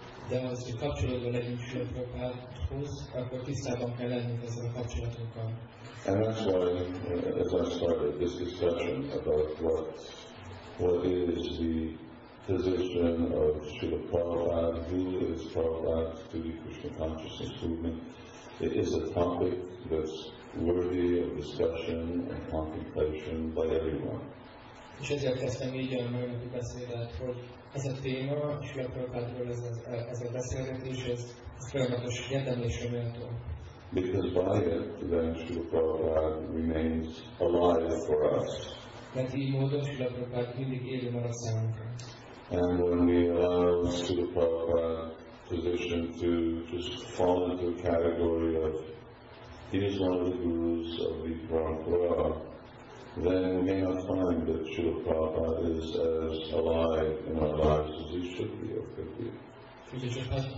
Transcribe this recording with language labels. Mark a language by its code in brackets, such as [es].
[en] And that's why, as I started this discussion about what is the position of Srila Prabhupada, who is Prabhupada to the Krishna consciousness movement, it is a topic that's worthy of discussion and contemplation by everyone. [hu] És ezért kezdtem így a mai beszédet, hogy ez a téma, és a Prabhupádról ez a beszélgetés, ez folyamatos érdemlésre méltó. [en] Because by it, then Srila Prabhupada remains alive for us. [hu] Mert így módon Srila Prabhupád mindig élő marad számunkra. [en] And when we allow Srila Prabhupád position to just fall into a category of he is one of the gurus of the Parampara, then we may not find that Srila Prabhupada is as alive in our lives as he should be or could be.